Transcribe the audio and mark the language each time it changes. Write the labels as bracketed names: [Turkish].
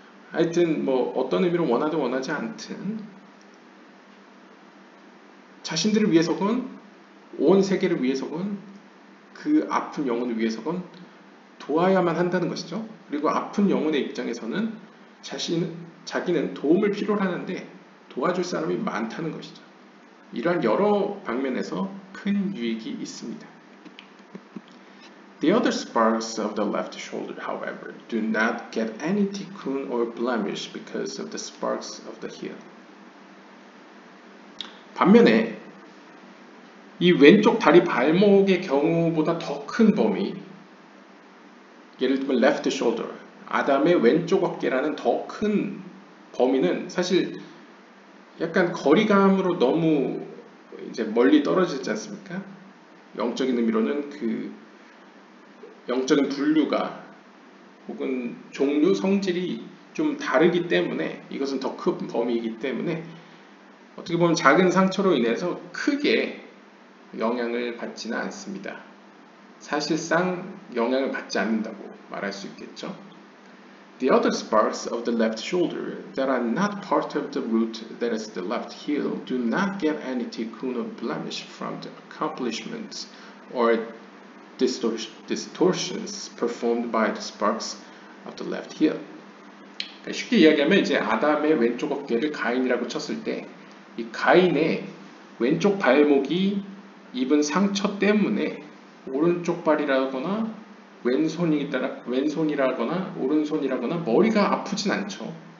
[Korean] 하여튼 뭐 어떤 의미로 원하든 원하지 않든 자신들을 위해서건 온 세계를 위해서건 그 아픈 영혼을 위해서건 도와야만 한다는 것이죠. 그리고 아픈 영혼의 입장에서는 자기는 도움을 필요로 하는데 도와줄 사람이 많다는 것이죠. 이러한 여러 방면에서 큰 유익이 있습니다. [English] The other sparks of the left shoulder, however, do not get any tikkun or blemish because of the sparks of the heel. [Korean] 반면에 이 왼쪽 다리 발목의 경우보다 더 큰 범위, 예를 들면 [English] left shoulder, [Korean] 아담의 왼쪽 어깨라는 더 큰 범위는 사실 약간 거리감으로 너무 이제 멀리 떨어지지 않습니까? 영적인 의미로는 그 영적인 분류가 혹은 종류 성질이 좀 다르기 때문에 이것은 더 큰 범위이기 때문에 어떻게 보면 작은 상처로 인해서 크게 영향을 받지는 않습니다. 사실상 영향을 받지 않는다고 말할 수 있겠죠. [English] The other sparks of the left shoulder that are not part of the root that is the left heel do not get any tikkun or blemish from the accomplishments or distortions performed by the sparks of the left heel. [Korean] 그러니까 쉽게 이야기하면 이제 아담의 왼쪽 어깨를 가인이라고 쳤을 때 이 가인의 왼쪽 발목이 입은 상처 때문에 오른쪽 발이라거나 왼손이라거나 오른손이라거나 머리가 아프진 않죠.